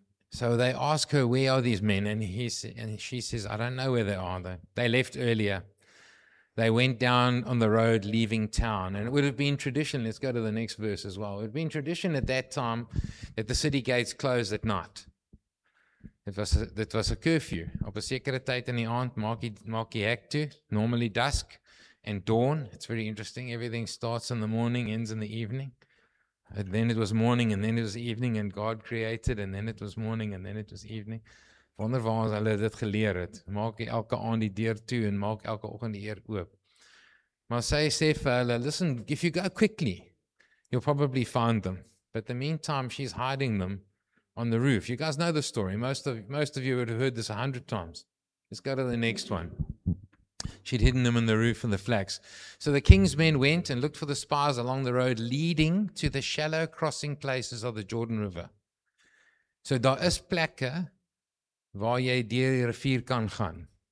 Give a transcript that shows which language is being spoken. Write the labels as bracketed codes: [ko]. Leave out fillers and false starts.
[en] So they ask her, where are these men? And she says, I don't know where they are. They left earlier. They went down on the road leaving town. And it would have been tradition, let's go to the next verse as well. It would have been tradition at that time that the city gates closed at night. It was a curfew. [af] Op 'n sekere tyd in die aand maak jy hek toe, [en] normally dusk and dawn. It's very interesting. Everything starts in the morning, ends in the evening. And then it was morning and then it was evening and God created and then it was morning and then it was evening. [af] Wonder waar ons hulle dit geleer het. Maak jy elke aand die deur toe en maak elke oggend die deur oop. Maar sy sê vir hulle, [en] listen, if you go quickly, you'll probably find them. But in the meantime, she's hiding them. On the roof. You guys know the story. Most of you would have heard this 100 times. Let's go to the next one. She'd hidden them in the roof and the flax. So the king's men went and looked for the spies along the road leading to the shallow crossing places of the Jordan River. [af] So daar is plekke waar jy deur die rivier kan gaan.